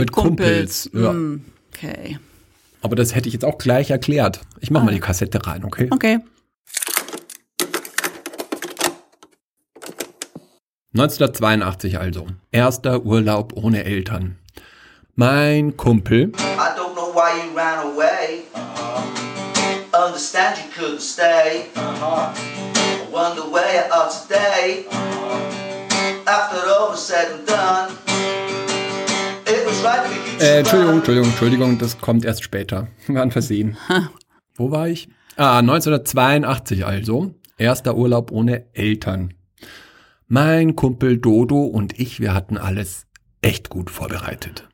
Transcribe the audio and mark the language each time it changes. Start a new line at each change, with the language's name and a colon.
German: Mit Kumpels, Kumpels, ja. okay. Aber das hätte ich jetzt auch gleich erklärt. Ich mach mal die Kassette rein, okay? Okay. 1982 also. Erster Urlaub ohne Eltern. Mein Kumpel.
English: I don't know why you ran away. Understand you couldn't stay. I wonder where you are today. After all was said and done. It was right for you to
German: Entschuldigung,
English: run.
German: Entschuldigung, Entschuldigung, das kommt erst später. War ein Versehen. Ha. Wo war ich? Ah, 1982 also. Erster Urlaub ohne Eltern. Mein Kumpel Dodo und ich, wir hatten alles echt gut vorbereitet.